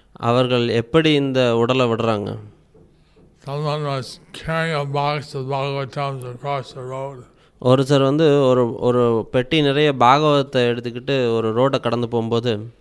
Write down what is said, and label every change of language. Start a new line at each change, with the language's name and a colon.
Tamil: அவர்கள் எப்படி இந்த உடலை விடுறாங்க?
English: Someone was carrying a box of Bhagavatams across the road.
Tamil: ஒருத்தர் வந்து ஒரு ஒரு பெட்டி நிறைய பாகவதத்தை எடுத்துக்கிட்டு ஒரு ரோட்டை கடந்து போகும்போது